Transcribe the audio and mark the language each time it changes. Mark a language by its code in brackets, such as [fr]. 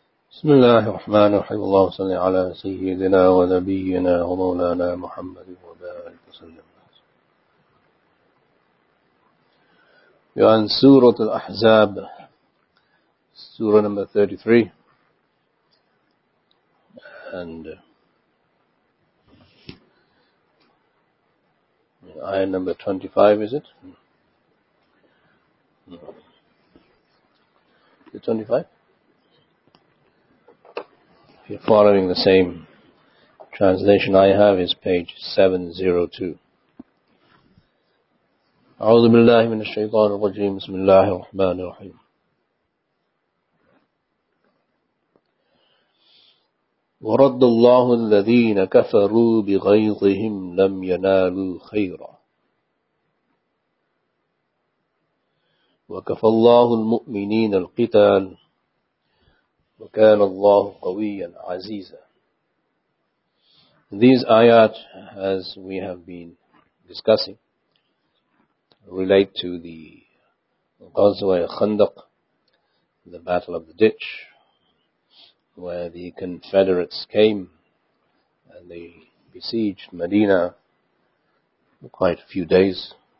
[ar] بسم الله الرحمن الرحيم اللهم صل على سيدنا ونبينا ومولانا محمد وبارك وسلم عن سورة الأحزاب سورة [en] number 33 and ayah number 25 is it? The 25? If you're following the same translation I have, is page 702. [ar] أعوذ بالله من الشيطان الرجيم بسم الله الرحمن الرحيم ورد الله الذين كفروا بغيظهم لم ينالوا خيرا وكفى الله المؤمنين القتال وكان الله قويا عزيزا. [en] These ayat, as we have been discussing, relate to the Ghazwa al-Khandaq, the battle of the ditch, where the Confederates came and they besieged Medina for quite a few days.